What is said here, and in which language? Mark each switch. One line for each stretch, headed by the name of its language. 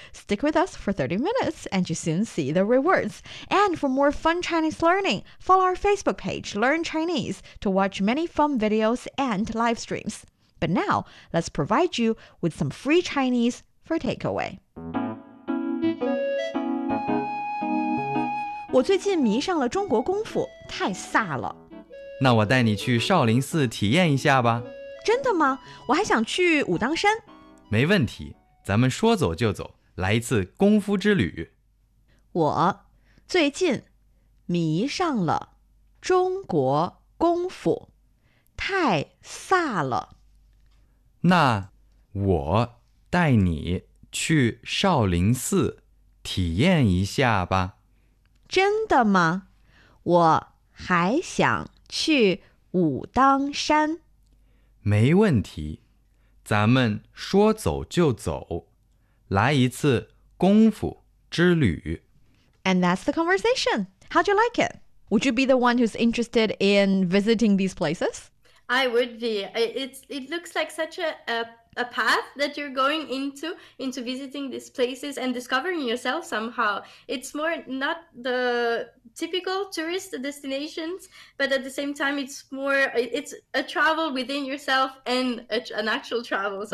English: Stick with us for 30 minutes and you soon see the rewards. And for more fun Chinese learning, follow our Facebook page, Learn Chinese, to watch many fun videos and live streams. But now, let's provide you with some free Chinese for takeaway.
Chinese: 我最近迷上了中国功夫，太飒了。那我带你去少林寺体验一下吧。真的吗？我还想去武当山。没问题，咱们说走就走，来一次功夫之旅。我最近迷上了中国功夫，太飒了。那我带你去少林寺体验一下吧。真的吗？我还想去武当山。没问题，咱们说走就走，来一次功夫之旅。
English: And that's the conversation. How'd you like it? Would you be the one who's interested in visiting these places? I would be. It looks like such a path that you're going into visiting these places and discovering yourself somehow. It's more not the typical tourist destinations, but at the same time, it's a travel within yourself and an actual travel.